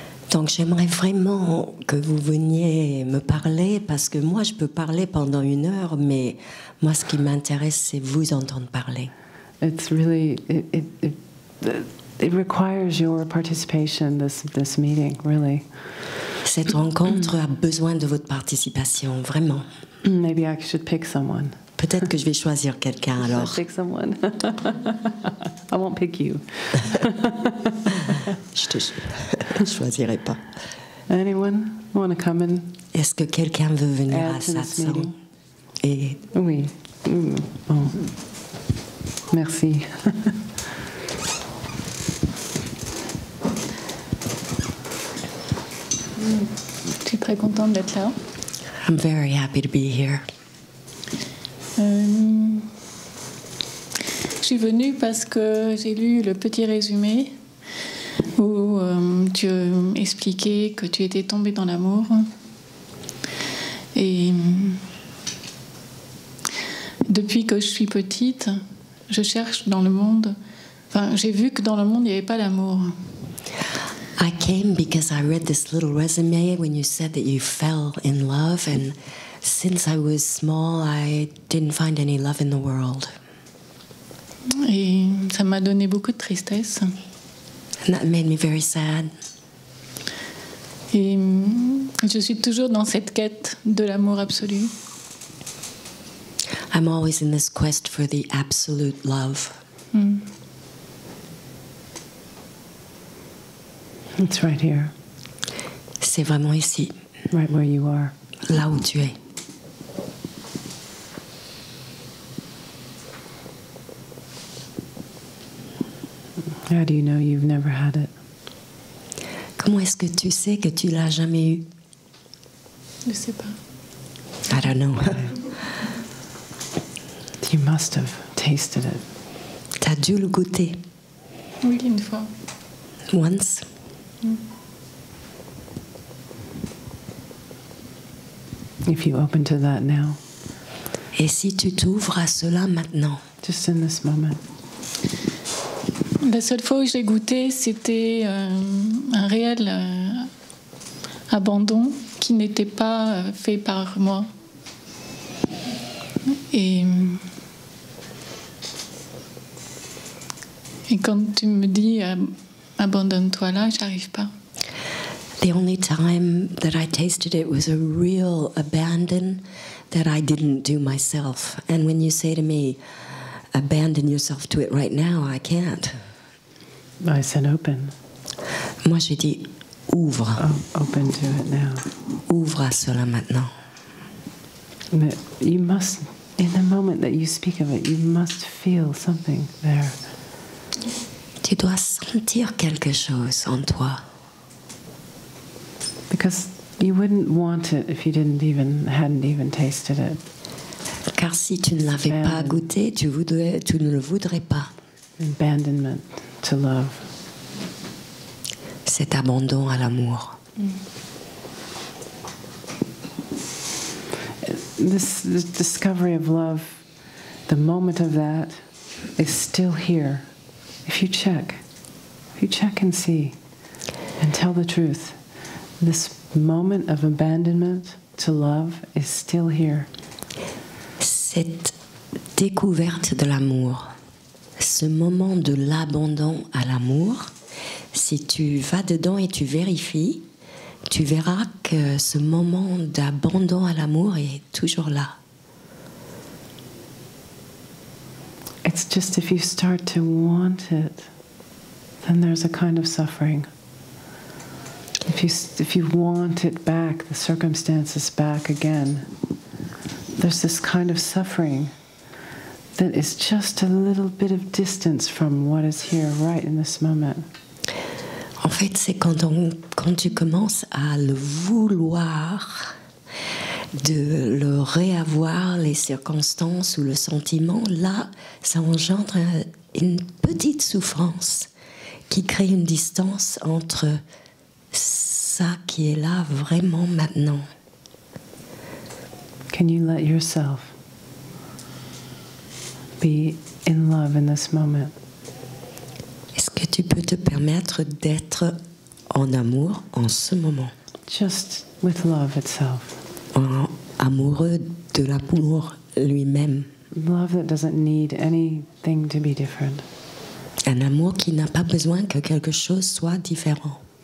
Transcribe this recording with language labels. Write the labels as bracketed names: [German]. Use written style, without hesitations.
[French] Donc j'aimerais vraiment que vous veniez me parler, parce que moi je peux parler pendant une heure, mais moi ce qui m'intéresse c'est vous entendre parler. [English] It's really it requires your participation, this meeting, really. [French] Cette rencontre a besoin de votre participation, vraiment. [English] Maybe I should pick someone. [French] Peut-être que je vais choisir quelqu'un alors. [English] Pick someone. I won't pick you. [French] Je te choisirai pas. [English] Anyone want to come and? [French] Est-ce que quelqu'un veut venir à cette salle? Et oui. Bon. Merci. Je suis très contente d'être là. [English] I'm very happy to be here. [French] Je suis venue parce que j'ai lu le petit résumé où tu expliquais que tu étais tombée dans l'amour. Et depuis que je suis petite, je cherche dans le monde. Enfin, j'ai vu que dans le monde, il n'y avait pas l'amour. [English] I came because I read this little resume when you said that you fell in love, and since I was small, I didn't find any love in the world. [French] Et ça m'a donné beaucoup de tristesse. [English] And that made me very sad. [French] Et je suis toujours dans cette quête de l'amour absolu. [English] I'm always in this quest for the absolute love. It's right here. [French] C'est vraiment ici. [English] Right where you are. [French] Là où tu es. [English] How do you know you've never had it? [French] Comment est-ce que tu sais que tu l'as jamais eu? Je sais pas. [English] I don't know. You must have tasted it. [French] T'as dû le goûter. Oui, une fois. [English] Once. If you open to that now. [French] Et si tu t'ouvres à cela maintenant? [English] Just in this moment. [French] La seule fois où j'ai goûté, c'était un réel abandon qui n'était pas fait par moi. Et quand tu me dis abandonne-toi là, j'arrive pas. [English] The only time that I tasted it was a real abandon that I didn't do myself. And when you say to me, abandon yourself to it right now, I can't. I said open. [French] Moi, j'ai dit ouvre. [English] Oh, open to it now. [French] Ouvre à cela maintenant. [English] But you must, in the moment that you speak of it, you must feel something there. [French] Tu dois sentir quelque chose en toi. [English] Because you wouldn't want it if you didn't even hadn't even tasted it. [French] Car si tu ne l'avais pas goûté, tu ne le voudrais pas. [English] Abandonment to love. [French] Cet abandon à l'amour. [English] This discovery of love, the moment of that, is still here. If you check and see, and tell the truth, this moment of abandonment to love is still here. [French] Cette découverte de l'amour, ce moment de l'abandon à l'amour, si tu vas dedans et tu vérifies, tu verras que ce moment d'abandon à l'amour est toujours là. [English] It's just if you start to want it, then there's a kind of suffering. If you want it back, the circumstances back again, there's this kind of suffering that is just a little bit of distance from what is here right in this moment. [French] En fait, c'est quand tu commences à le vouloir, de le réavoir, les circonstances ou le sentiment, là, ça engendre une petite souffrance qui crée une distance entre ça qui est là vraiment maintenant. [English] Can you let yourself be in love in this moment? [French] Est-ce que tu peux te permettre d'être en amour en ce moment? [English] Just with love itself. [French] En amoureux de l'amour lui-même. [English] Love that doesn't need anything to be different. [French] Un amour qui n'a pas besoin que quelque chose soit différent.